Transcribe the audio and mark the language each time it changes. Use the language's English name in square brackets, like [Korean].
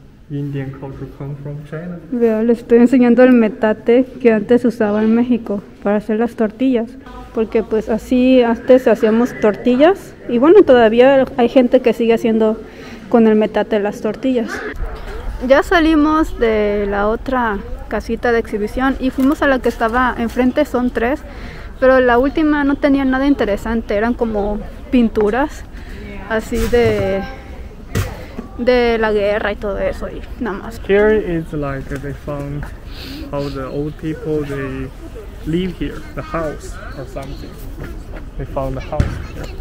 [English] Indian culture come from China. [Spanish] Vea, le estoy enseñando el metate que antes usaba en México para hacer las tortillas. Porque pues así antes hacíamos tortillas. Y bueno, todavía hay gente que sigue haciendo con el metate las tortillas. Ya salimos de la otra casita de exhibición y fuimos a la que estaba enfrente, son 3. Pero la última no tenía nada interesante, eran como pinturas. Así de la guerra y todo eso y nada más. [English] Here is like they found how the old people they live here, the house or something. They found the house here.